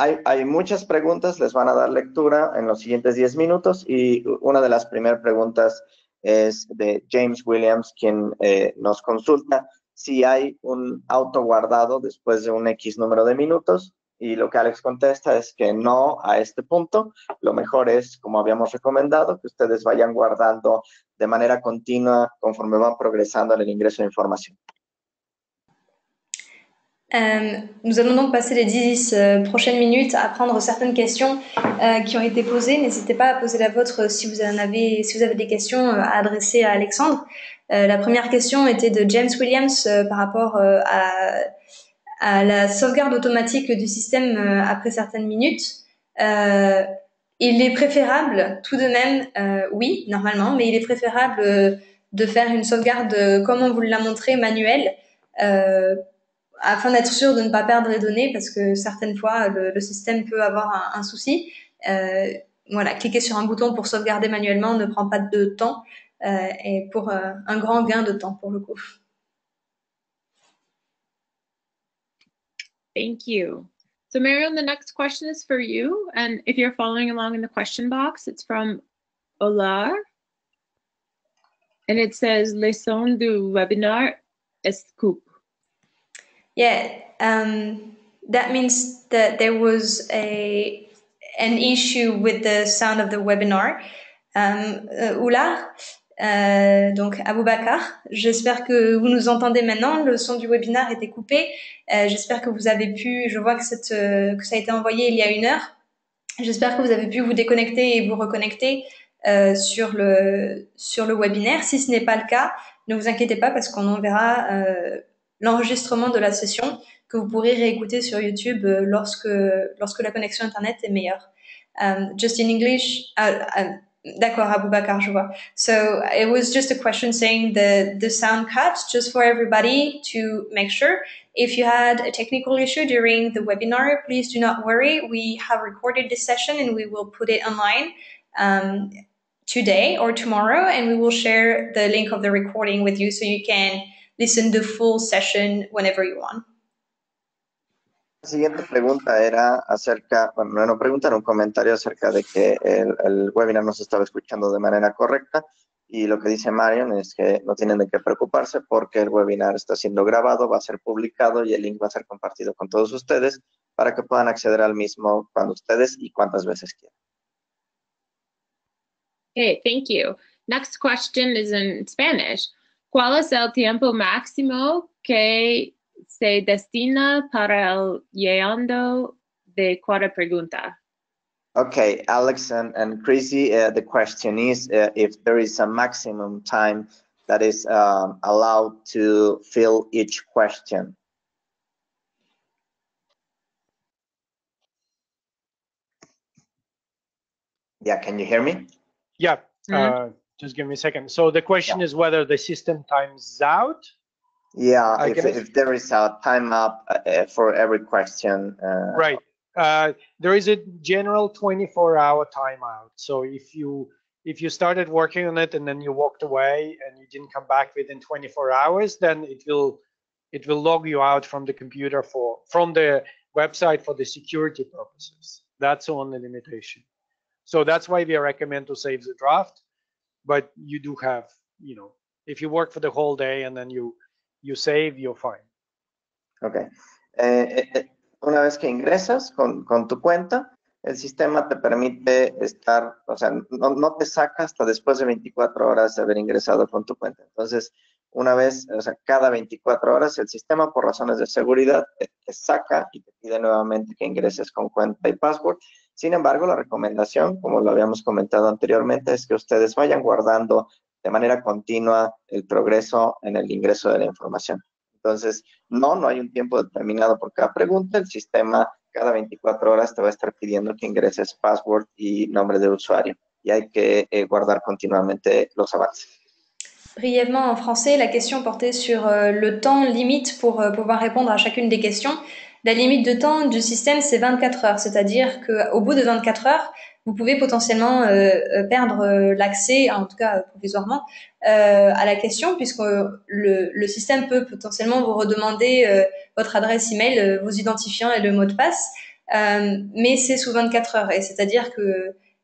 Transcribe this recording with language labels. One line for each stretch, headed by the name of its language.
Spanish: Hay muchas preguntas, les van a dar lectura en los siguientes 10 minutos y una de las primeras preguntas es de James Williams, quien nos consulta si hay un auto guardado después de un X número de minutos y lo que Alex contesta es que no a este punto. Lo mejor es, como habíamos recomendado, que ustedes vayan guardando de manera continua conforme van progresando en el ingreso de información.
French: Nous allons donc passer les 10 prochaines minutes à prendre certaines questions qui ont été posées. N'hésitez pas à poser la vôtre si vous avez des questions à adresser à Alexandre. La première question était de James Williams par rapport à la sauvegarde automatique du système après certaines minutes. Il est préférable, tout de même, oui, normalement, mais il est préférable de faire une sauvegarde, comme on vous l'a montré, manuelle, afin d'être sûr de ne pas perdre les données, parce que certaines fois, le système peut avoir un souci. Voilà, cliquer sur un bouton pour sauvegarder manuellement ne prend pas de temps, et pour un grand gain de temps, pour le coup.
English: Thank you. So, Marion, the next question is for you. And if you're following along in the question box, it's from Olar. And it says,
French: leçon du webinar est coupé.
English: Yeah, that means that there was an issue with the sound of the webinar.
French: Oular, donc Aboubakar, j'espère que vous nous entendez maintenant. Le son du webinar était coupé. J'espère que vous avez pu, je vois que, que ça a été envoyé il y a une heure. J'espère que vous avez pu vous déconnecter et vous reconnecter sur le webinaire. Si ce n'est pas le cas, ne vous inquiétez pas parce qu'on en verra l'enregistrement de la session que vous pourrez réécouter sur YouTube lorsque la connexion internet est meilleure.
English: Just in English,
French: d'accord,
English: Aboubakar,
French: je vois.
English: So it was just a question saying the sound cuts, just for everybody to make sure. If you had a technical issue during the webinar, please do not worry. We have recorded this session and we will put it online today or tomorrow, and we will share the link of the recording with you so you can listen the full session whenever you want.
Spanish: La siguiente pregunta era acerca, bueno, no pregunta, era un comentario acerca de que el webinar no se estaba escuchando de manera correcta, y lo que dice Marion es que no tienen de qué preocuparse porque el webinar está siendo grabado, va a ser publicado y el link va a ser compartido con todos ustedes para que puedan acceder al mismo cuando ustedes y cuantas veces quieran.
English: Hey, thank you. Next question is in Spanish.
Spanish: ¿Cuál es el tiempo máximo que se destina para el llenado de cuatro preguntas?
English: Okay, Alex and Chrissy, the question is if there is a maximum time that is allowed to fill each question. Yeah, can you hear me? Yeah. Just give me a second. So the question is whether the system times out. Yeah, if there is a time up for every question. Right. There is a general 24-hour timeout. So if you started working on it and then you walked away and you didn't come back within 24 hours, then it will log you out from the computer from the website for the security purposes. That's the only limitation. So that's why we recommend to save the draft. But you do have, you know, if you work for the whole day and then you save, you're fine. Okay.
Spanish: Una vez que ingresas con tu cuenta, el sistema te permite estar, o sea, no te saca hasta después de 24 horas de haber ingresado con tu cuenta. Entonces, una vez, o sea, cada 24 horas, el sistema, por razones de seguridad, te saca y te pide nuevamente que ingreses con cuenta y password. Sin embargo, la recomendación, como lo habíamos comentado anteriormente, es que ustedes vayan guardando de manera continua el progreso en el ingreso de la información. Entonces, no hay un tiempo determinado por cada pregunta. El sistema, cada 24 horas, te va a estar pidiendo que ingreses password y nombre de usuario. Y hay que guardar continuamente los avances.
French: Brièvement en français, la question portait sur le temps limite pour pouvoir répondre à chacune des questions. La limite de temps du système, c'est 24 heures, c'est-à-dire qu'au bout de 24 heures, vous pouvez potentiellement perdre l'accès, en tout cas provisoirement, à la question, puisque le système peut potentiellement vous redemander votre adresse email, vos identifiants et le mot de passe, mais c'est sous 24 heures, et c'est-à-dire que